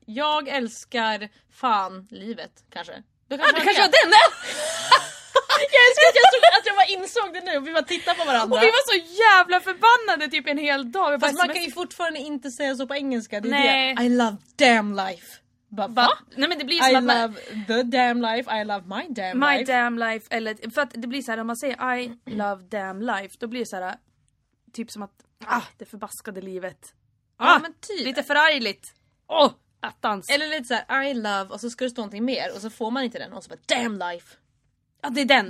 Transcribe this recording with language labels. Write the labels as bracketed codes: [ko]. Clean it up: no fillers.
[sv] Jag älskar fan livet, kanske. Kanske var den! Jag älskar att jag bara insåg det nu. Vi bara tittade på varandra. Och vi var så jävla förbannade typ en hel dag. Fast man kan ju fortfarande inte säga så på engelska. Det är nej. [en] Det. I love damn life. [sv] Va? Nej, men det blir som [en] I [sv] att [en] love [sv] man, [en] the damn life, I love my damn my life. My damn life. [sv] Eller, för att det blir så här, om man säger [en] I love damn life, [sv] då blir det så här typ som att det förbaskade livet. Ja, men typ. Lite förargligt. Oh, attans. Eller lite så här, [en] I love, [sv] och så ska det stå någonting mer. Och så får man inte den. Och så bara, [en] damn life. [sv] Ja, det är den.